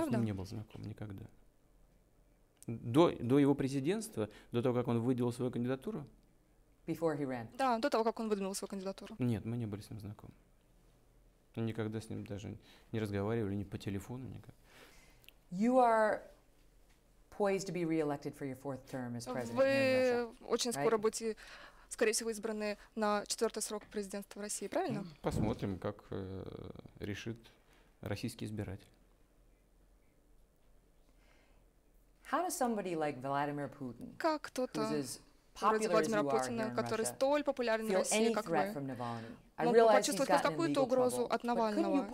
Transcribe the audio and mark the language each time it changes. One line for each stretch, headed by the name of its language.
Russian: Я с ним не был знаком никогда. До его президентства, до того, как он выдвинул свою кандидатуру? Да, до того, как он выдвинул свою кандидатуру. Нет, мы не были с ним знакомы. Никогда с ним даже не разговаривали, ни по телефону, никак.
English: You are poised to be re-elected for your fourth term as president.
Russian: Вы очень скоро будете, скорее всего, избраны на четвертый срок президентства в России, правильно? Посмотрим, как решит российский избиратель.
English: How does somebody like Vladimir Putin,
Russian: как кто-то вроде Владимира Путина, который столь популярен в России, как вы, мог бы почувствовать хоть какую-то угрозу от Навального?